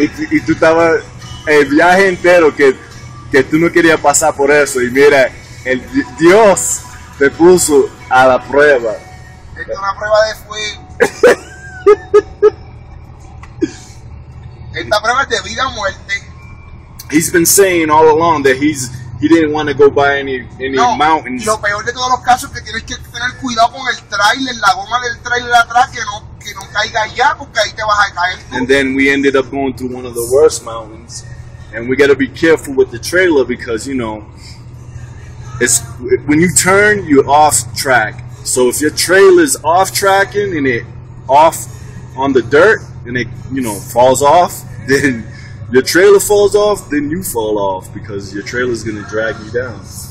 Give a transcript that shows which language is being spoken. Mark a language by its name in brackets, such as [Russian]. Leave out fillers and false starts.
[Spanish] Y tú estabas el viaje entero que tú no querías pasar por eso. Y mira, el Dios te puso a la prueba. Esto es una prueba de fuego. Esta prueba es de vida o muerte. [English] He's been saying all along that he didn't want to go by any no, mountains. [Spanish] Lo peor de todos los casos es que tienes que tener cuidado con el trailer, la goma del trailer atrás, que no caiga allá, porque ahí te vas a caer tú. [English] And then we ended up going to one of the worst mountains, and we got to be careful with the trailer because, you know, it's when you turn, you're off track. So if your trailer's off tracking and it off on the dirt and it, you know, falls off, then your trailer falls off, then you fall off because your trailer's gonna drag you down.